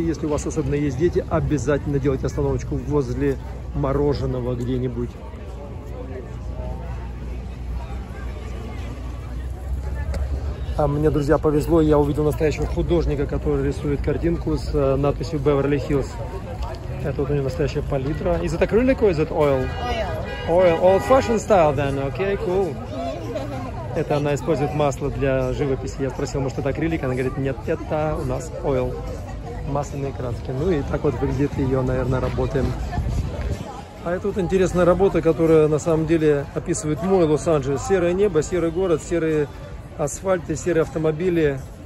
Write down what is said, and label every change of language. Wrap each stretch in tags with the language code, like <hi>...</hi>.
<ru>Если у вас особенно есть дети, обязательно делайте остановочку возле мороженого где-нибудь. А мне, друзья, повезло, я увидел настоящего художника, который рисует картинку с надписью Beverly Hills. Это вот у него настоящая палитра.</ru> <en>Is it acrylic or is it oil? Oil. Oil. Old fashioned style then, okay, cool.</en> <ru>Это она использует масло для живописи. Я спросил, может, это акрилик? Она говорит, нет, это у нас oil. Масляные краски. Ну и так вот выглядит ее, наверное, работа. А это вот интересная работа, которая на самом деле описывает мой Лос-Анджелес. Серое небо, серый город, серые асфальт и серые автомобили.</ru>